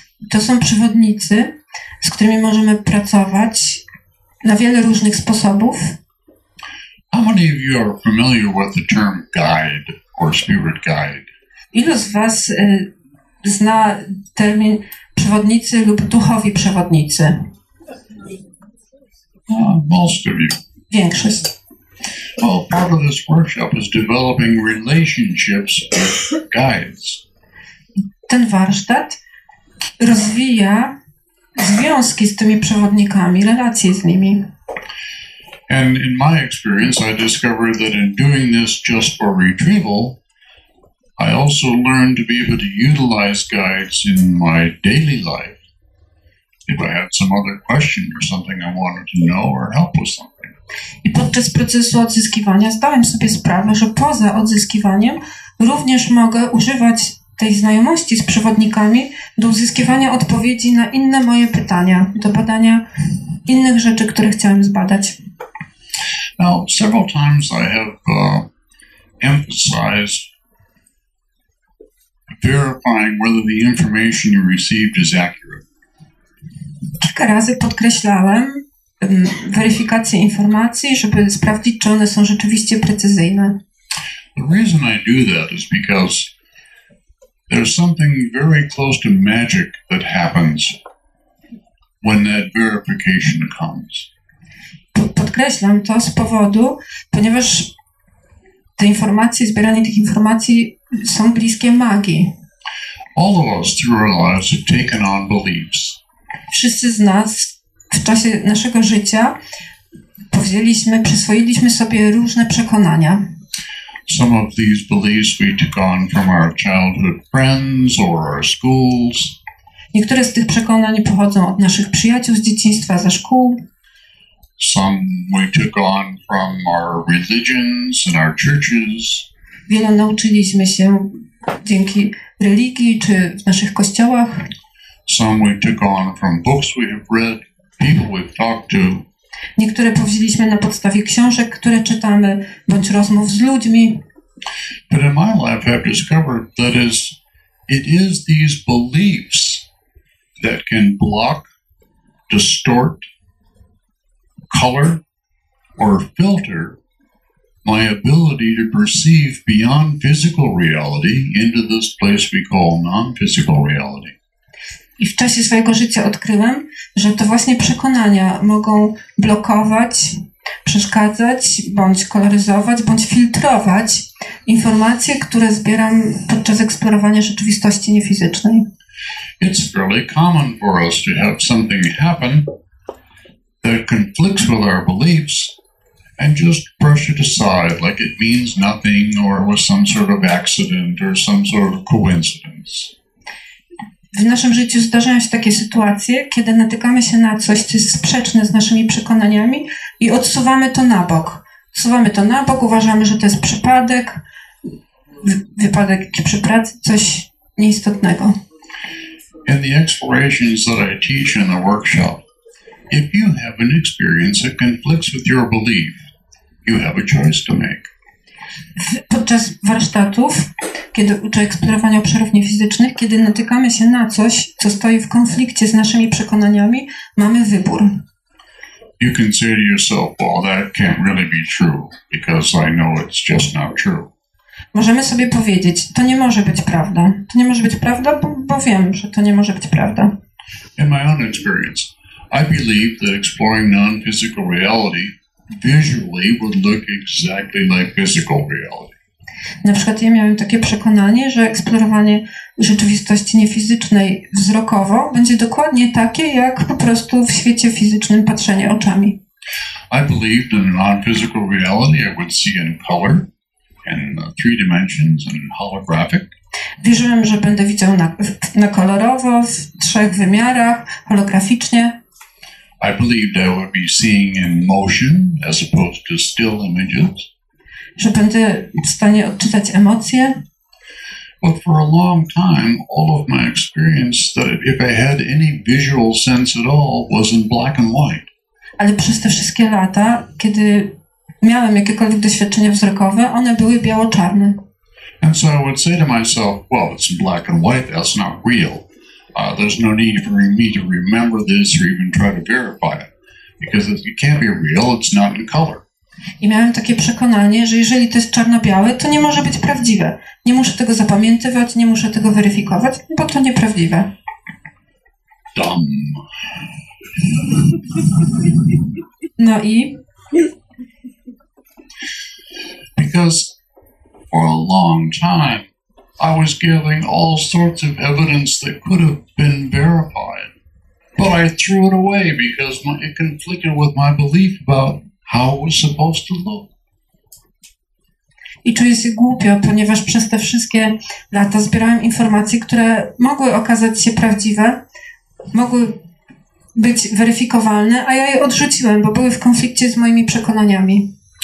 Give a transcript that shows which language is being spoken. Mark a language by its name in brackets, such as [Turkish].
[Polish] To są przewodnicy, z którymi możemy pracować na wiele różnych sposobów. [English] How many of you are familiar with the term guide or spirit guide? [Polish] Ilu z was zna termin przewodnicy lub duchowi przewodnicy? [English] Most of you. [Polish] Większość. [English] Well, part of this workshop is developing relationships with guides. [Polish] Ten warsztat rozwija związki z tymi przewodnikami, relacje z nimi. [English] And in my experience, I discovered that in doing this just for retrieval, I also learned to be able to utilize guides in my daily life. If I had some other question or something I wanted to know or help with something. [Polish] I podczas procesu odzyskiwania zdałem sobie sprawę, że poza odzyskiwaniem również mogę używać tej znajomości z przewodnikami do uzyskiwania odpowiedzi na inne moje pytania, do badania innych rzeczy, które chciałem zbadać. [English] Now, several times I have emphasized verifying whether the information you received is accurate. [Polish] Kilka razy podkreślałem weryfikację informacji, żeby sprawdzić, czy one są rzeczywiście precyzyjne. [English] The reason I do that is because there's something very close to magic that happens when that verification comes. [Polish] Podkreślam to z powodu, ponieważ te informacje, zbieranie tych informacji są bliskie magii. [English] All of us through our lives have taken on beliefs. [Polish] Wszyscy z nas w czasie naszego życia powzięliśmy, przyswoiliśmy sobie różne przekonania. [English] Some of these beliefs we took on from our childhood friends or our schools. [Polish] Niektóre z tych przekonań pochodzą od naszych przyjaciół z dzieciństwa, ze szkół. [English] Some we took on from our religions and our churches. [Polish] Wiele nauczyliśmy się dzięki religii czy w naszych kościołach. [English] Some we took on from books we have read, people we've talked to. [Polish] Niektóre powzięliśmy na podstawie książek, które czytamy, bądź rozmów z ludźmi. [English] But in my life I've discovered that it is these beliefs that can block, distort, color, or filter my ability to perceive beyond physical reality into this place we call non-physical reality. [Polish] I w czasie swojego życia odkryłem, że to właśnie przekonania mogą blokować, przeszkadzać, bądź koloryzować, bądź filtrować informacje, które zbieram podczas eksplorowania rzeczywistości niefizycznej. [English] It's fairly common for us to have something happen that conflicts with our beliefs and just brush it aside like it means nothing or was some sort of accident or some sort of coincidence. [Polish] W naszym życiu zdarzają się takie sytuacje, kiedy natykamy się na coś, co jest sprzeczne z naszymi przekonaniami i odsuwamy to na bok. Odsuwamy to na bok, uważamy, że to jest przypadek, wypadek przy pracy, coś nieistotnego. [English] In the explorations that I teach in the workshop, if you have an experience that conflicts with your belief, you have a choice to make. [Polish] Podczas warsztatów, kiedy uczę eksplorowania obszarów niefizycznych, kiedy natykamy się na coś, co stoi w konflikcie z naszymi przekonaniami, mamy wybór. [English] You can say to yourself, well, that can't really be true, because I know it's just not true. [Polish] Możemy sobie powiedzieć, to nie może być prawda. To nie może być prawda, bo wiem, że to nie może być prawda. [English] In my own experience, I believe that exploring non-physical reality visually would look exactly like physical reality. [Polish] Na przykład ja miałem takie przekonanie, że eksplorowanie rzeczywistości niefizycznej wzrokowo będzie dokładnie takie, jak po prostu w świecie fizycznym patrzenie oczami. [English] I believed in a non-physical reality I would see in color. And three dimensions and holographic. [Polish] Wierzyłem, że będę widział na kolorowo, w trzech wymiarach, holograficznie. [English] I believed I would be seeing in motion as opposed to still images. [Polish] Że będę w stanie odczytać emocje. [English] But for a long time, all of my experience that if I had any visual sense at all was in black and white. [Polish] Ale przez te wszystkie lata, kiedy miałem jakiekolwiek doświadczenia wzrokowe, one były biało-czarne. [English] And so I would say to myself, well, it's black and white, that's not real. There's no need for me to remember this or even try to verify it. Because if it can't be real, it's not in color. [Polish] I miałem takie przekonanie, że jeżeli to jest czarno-białe, to nie może być prawdziwe. Nie muszę tego zapamiętywać, nie muszę tego weryfikować, bo to nieprawdziwe. [English] Dumb. [Polish] No i? [English] Because for a long time, I was gathering all sorts of evidence that could have been verified, but I threw it away because it conflicted with my belief about how it was supposed to look. [Polish] I czuję się głupio, ponieważ przez te wszystkie lata zbierałem informacje, które mogły okazać się prawdziwe, mogły być weryfikowalne, a ja je odrzuciłem, bo były w konflikcie z moimi przekonaniami.